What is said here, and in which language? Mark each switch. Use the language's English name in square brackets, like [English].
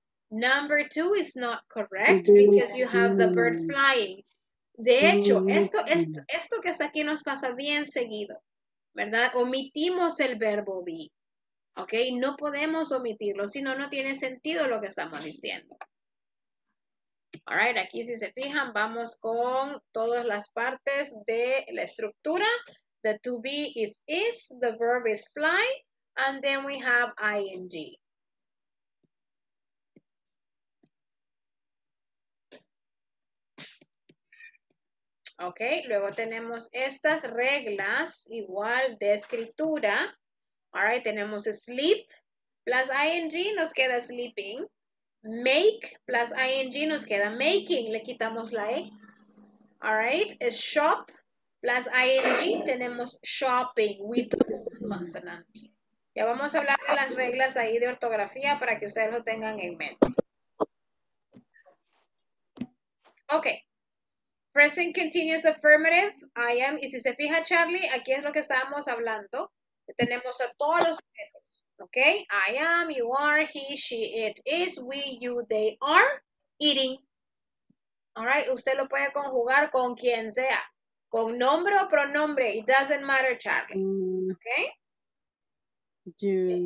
[English] Number two is not correct because you have the bird flying. [Spanish] De hecho, esto que está aquí nos pasa bien seguido, ¿verdad? Omitimos el verbo be, ¿ok? No podemos omitirlo, si no, no tiene sentido lo que estamos diciendo. [English] All right, [Spanish] aquí si se fijan, vamos con todas las partes de la estructura. [English] The to be is, the verb is fly, and then we have ing. [Spanish] Okay, luego tenemos estas reglas igual de escritura. [English] All right, [Spanish] tenemos sleep plus ing, nos queda sleeping. Make plus ing, nos queda making, le quitamos la e. [English] All right, is shop plus ing, [Spanish] tenemos [English] shopping. We took the consonant. [Spanish] Ya vamos a hablar de las reglas ahí de ortografía para que ustedes lo tengan en mente. [English] Okay. Present continuous affirmative, I am. [Spanish] Y si se fija, Charlie, aquí es lo que estábamos hablando. Tenemos a todos los sujetos. Okay. [English] I am, you are, he, she, it is, we, you, they are, eating. All right. [Spanish] Usted lo puede conjugar con quien sea. Con nombre o pronombre. [English] It doesn't matter, Charlie. Okay. You.